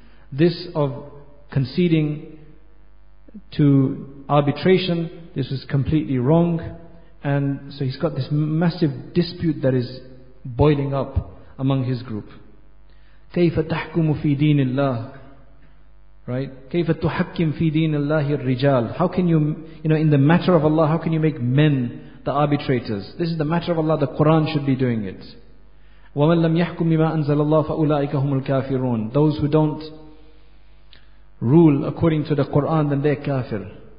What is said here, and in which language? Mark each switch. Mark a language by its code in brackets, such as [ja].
[en] This of conceding to arbitration, this is completely wrong. And so he's got this massive dispute that is boiling up among his group. [ar] كَيْفَ تَحْكُمُ فِي دِينِ اللَّهِ [en] Right? [ar] كيف تحكم في دين الله الرجال? [en] How can you, you know, in the matter of Allah, how can you make men the arbitrators? This is the matter of Allah, the Quran should be doing it. [ar] وَمَنْ لَمْ يَحْكُمْ بِمَا أَنزَلَ اللَّهُ فَأُولَٰئِكَ هُمُ الْكَافِرُونَ. [en] Those who don't rule according to the Quran, then they're kafir.